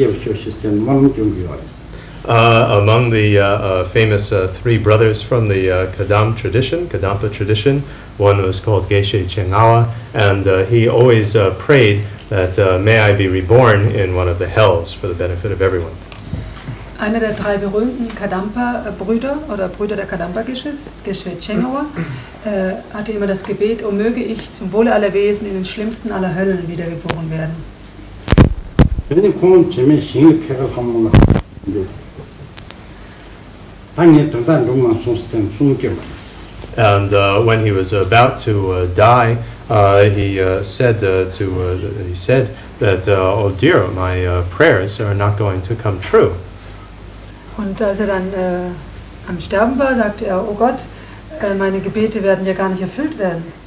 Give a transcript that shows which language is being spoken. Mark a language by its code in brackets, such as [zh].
[en] Among the famous three brothers from the Kadam tradition, Kadampa tradition, one was called Geshe Chengawa, and he always prayed that may I be reborn in one of the hells for the benefit of everyone. [de] Einer der drei berühmten Kadampa-Brüder oder Brüder der Kadampa-Geshes, Geshe Chengawa, hatte immer das Gebet, oh möge ich zum Wohle aller Wesen in den schlimmsten aller Höllen wiedergeboren werden. [en] And when he was about to die, he said that, oh dear, my prayers are not going to come true. [de] Und als er dann am Sterben war, sagte er, oh Gott, meine Gebete werden ja gar nicht erfüllt werden.